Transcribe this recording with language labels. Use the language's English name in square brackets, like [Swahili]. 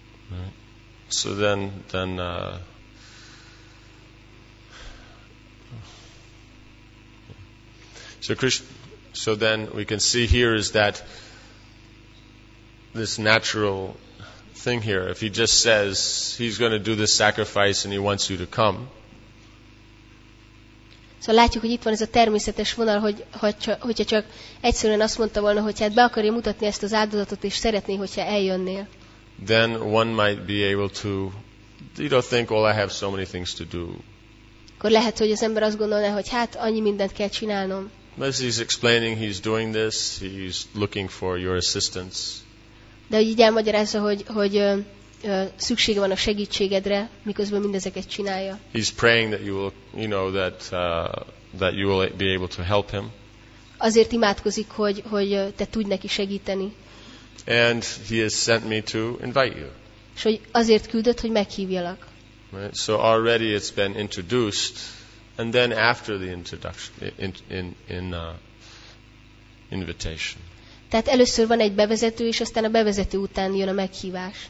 [English] Right. So then we can see here is that this natural thing here, if he just says he's going to do this sacrifice and he wants you to come. [Hungarian] So látjuk, hogy itt van ez a természetes vonal, hogyha csak egyszerűen azt mondta volna, hogy hát be akarja mutatni ezt az áldozatot, és szeretné, hogyha eljönnél. [English] Then one might be able to, you know, think, well, I have so many things to do. [Hungarian] Akkor lehet, hogy az ember azt gondolná, hogy hát annyi mindent kell csinálnom. [English] As he's explaining, he's doing this, he's looking for your assistance. [Hungarian] De hogy így elmagyarázza, hogy szüksége van a segítségedre, miközben mindezeket csinálja. [English] He's praying that you will, you know, that that you will be able to help him. [Hungarian] Azért imádkozik, hogy te tudj neki segíteni. [English] And he has sent me to invite you. [Hungarian] És hogy azért küldött, hogy meghívjalak. [English] Right? So already it's been introduced, and then after the introduction, invitation. [Hungarian] Tehát először van egy bevezető, és aztán a bevezető után jön a meghívás.